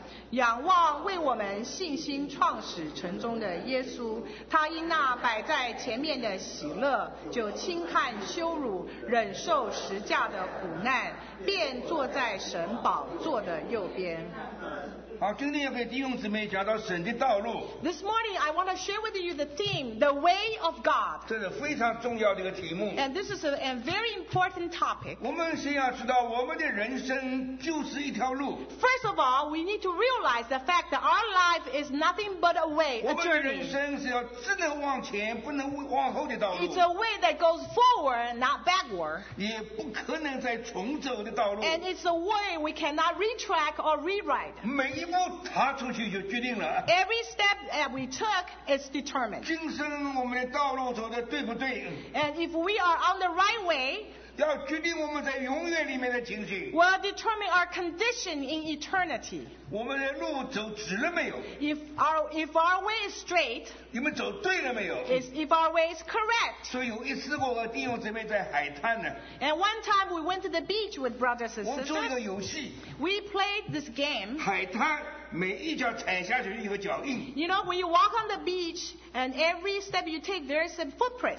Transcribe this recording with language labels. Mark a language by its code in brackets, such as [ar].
[zh] 仰望为我们信心创始成终的耶稣，他因那摆在前面的喜乐，就轻看羞辱，忍受十架的苦难，便坐在神宝座的右边。好，今天要给弟兄姊妹讲到神的道路。 [en] This morning I want to share with you the theme, the way of God. [zh] 这是非常重要的一个题目。 [en] And this is a very important topic. [zh] 我们先要知道我们的人生就是一条路。 [en] First of all, we need to realize the fact that our life is nothing but a way, a journey. [zh] 我们的人生是要只能往前，不能往后的道路。 [en] It's a way that goes forward, not backward. [zh] 也不可能再重走的道路。 [en] And it's a way we cannot retrack or rewrite. [zh] 每一步踏出去就决定了。 [en] Every step that we took is determined. [zh] 今生我们的道路走得对不对？ [en] And if we are on the right way, [zh] 要决定我们在永远里面的情形。 [en] Will determine our condition in eternity. [zh] 我们的路走直了没有？ [en] If our way is straight. [zh] 你们走对了没有？ [en] If our way is correct. [zh] 所以有一次我和弟兄姊妹在海滩呢。 [en] And one time we went to the beach with brothers and sisters. [zh] 我们做一个游戏。 [en] We played this game. [zh] 海滩。每一脚踩下去一个脚印。 [en] You know, when you walk on the beach, and every step you take, there is a footprint.